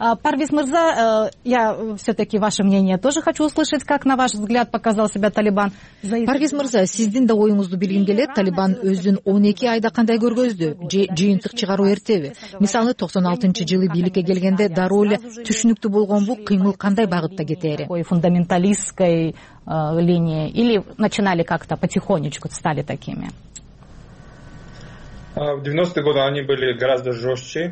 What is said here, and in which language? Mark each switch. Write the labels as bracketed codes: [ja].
[ru] Парвиз мырза, я все таки ваше мнение тоже хочу услышать, как на ваш взгляд показал себя Талибан. [ky] Парвиз мырза, сиздин да оюңузду билгим келет. Талибан өзүн 12 айда кандай көргөздү? Жыйынтык чыгаруу эртеби? Мисалы 96 жылы бийликке келгенде дароо эле түшүнүктүү болгон бул кыймыл кандай багытта кетээр? [ru] Фундаменталисткой линии или начинали как-то потихонечку стали такими? В 90-е годы они были гораздо жестче.